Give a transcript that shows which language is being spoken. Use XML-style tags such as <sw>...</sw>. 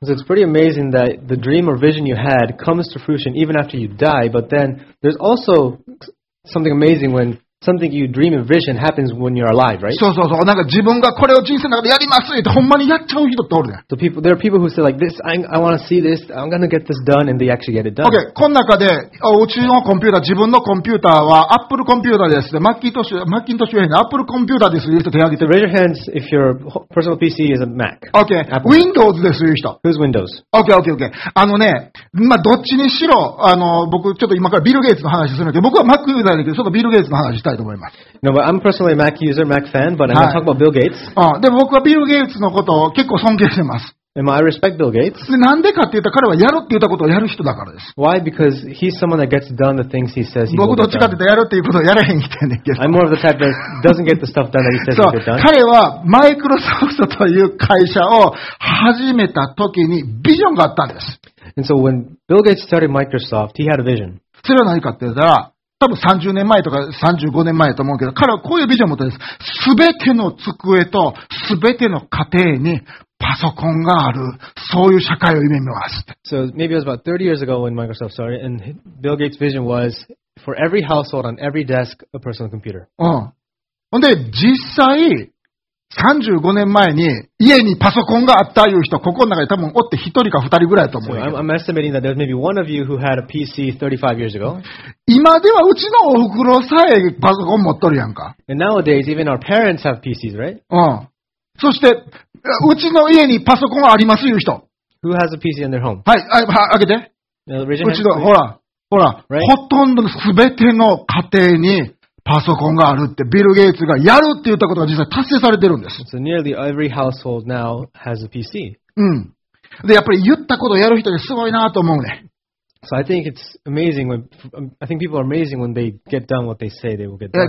<en>So it's pretty amazing that the dream or vision you had comes to fruition even after you die, but then there's also something amazing when something you dream and vision happens when you're alive, right?</en> <ja>そうそうそう。なんか自分がこれを人生の中でやりますってほんまにやっちゃう人っておるやん。</ja> <en>So people, there are people who say like this, I want to see this, I'm going to get this done, and they actually get it done. Okay,</en> <ja>この中で、うちのコンピューター、自分のコンピューターは Apple コンピューターです。で、マッキントッシュ Apple コンピューターですという人手挙げて。</ja> <en>So、raise your hands if your personal PC is a Mac. Okay,、Apple.</en> <ja>Windows ですという人。</ja> <en>Who's Windows? Okay, okay, okay.</en> <ja>あのね、まあ、どっちにしろ、僕ちょっと今からビル・ゲイツの話するんだけど、僕は Mac ユーザーだけど、ちょっとビル・ゲイツの話したいと思います。</ja> <en>No, but I'm personally a Mac user, Mac fan, but I'm going to talk about Bill Gates.</en> <ja>で、僕はビル・ゲイツのことを結構尊敬してます。</ja> <en>And I respect Bill Gates.</en> <ja>で、なんでかって言ったら彼はやろうって言ったことをやる人だからです。</ja> <en>Why? Because he's someone that gets done the things he says he will do.</en> <ja>僕どっちかって言ったらやろうっていうことをやらへん人やねんけど。</ja> <en>I'm more of the type that doesn't get the stuff done that he says he'll get done.</en> <ja>彼はマイクロソフトという会社を始めた時にビジョンがあったんです。</ja> <en>And so when Bill Gates started Microsoft, he had a vision.</en> <ja>それは何かって言ったら、多分30年前とか35年前と思うけど、彼はこういうビジョンを持ったんです。すべての机とすべての家庭にパソコンがある、そういう社会を夢見ます。</ja> <en>So maybe it was about 30 years ago when Microsoft started, and Bill Gates' vision was for every household on every desk a personal computer.</en> <ja>ほんで、実際、35年前に家にパソコンがあったいう人、ここの中で多分おって一人か二人ぐらいと思う。</ja> <en>So、I'm estimating that there's maybe one of you who had a PC 35 years ago.</en> <ja>今ではうちのお袋さえパソコン持っとるやんか。</ja> <en>And nowadays, even our parents have PCs, right?</en> <ja>そして、うちの家にパソコンありますいう人。</ja> <en>Who has a PC in their home?</en> <ja>はい、開けて。うちの、ほら、</ja> <en>right?</en> <ja>ほとんどの全ての家庭に、パソコンがあるってビル・ゲイツがやるって言ったことが実際達成されてるんです。</ja> <en>So nearly every household now has a PC.</en> <ja>で、やっぱり言ったことをやる人ってすごいなと思うね。</ja> <en>So I think it's amazing when I think people are amazing when they get done what they say they will get done.</en>